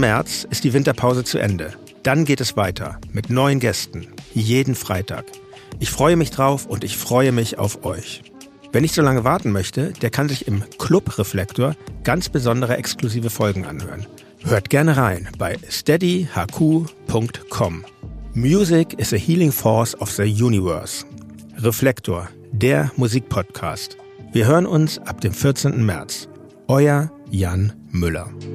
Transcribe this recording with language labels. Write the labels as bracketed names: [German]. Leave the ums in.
[German] März ist die Winterpause zu Ende. Dann geht es weiter mit neuen Gästen. Jeden Freitag. Ich freue mich drauf und ich freue mich auf euch. Wer nicht so lange warten möchte, der kann sich im Club Reflektor ganz besondere exklusive Folgen anhören. Hört gerne rein bei steadyhq.com. [English] Music is a healing force of the universe. [German] Reflektor, der Musikpodcast. Wir hören uns ab dem 14. März. Euer Jan Müller.